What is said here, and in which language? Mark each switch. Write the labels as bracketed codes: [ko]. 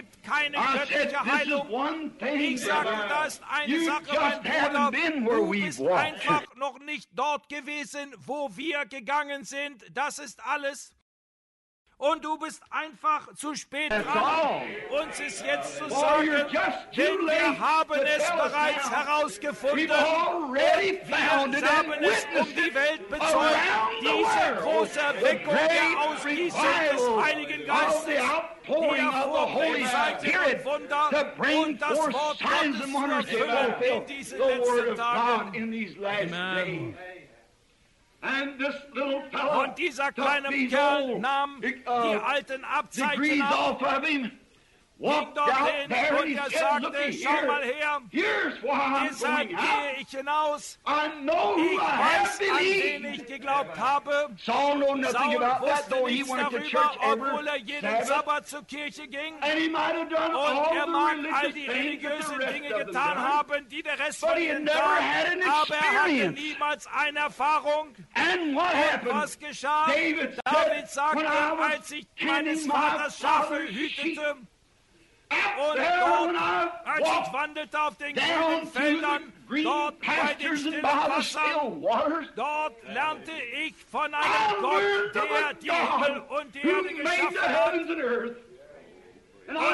[en] I said, this is one thing, you just haven't been where we've walked. [de] Du bist einfach noch nicht dort gewesen, wo wir gegangen sind, das ist alles. Und du bist einfach zu spät dran, uns ist jetzt zu sagen, denn wir haben es bereits herausgefunden. Wir haben es um die Welt bezeugt, diese große Erweckung der Ausgießung des Heiligen Geistes. [en] Pouring of the Holy Spirit to bring forth signs and wonders to fulfill the word of God in these last days. And this little fellow [de] und dieser kleine Kerl nahm die alten Abzeichen [en] off of him Walked out there and he said, look here, here's why I'm going out. I know who I have believed. Saul knew nothing about that, though he went to church every Sabbath. And he might have done all the religious things that the rest of them had done, but he had never had an experience. And what happened? David said, when I was tending my father's sheep, [de] und dort, als ich wandelte auf den grünen Feldern, dort bei den stillen Wassern, dort lernte ich von einem Gott, der die Himmel und die Erde geschaffen hat.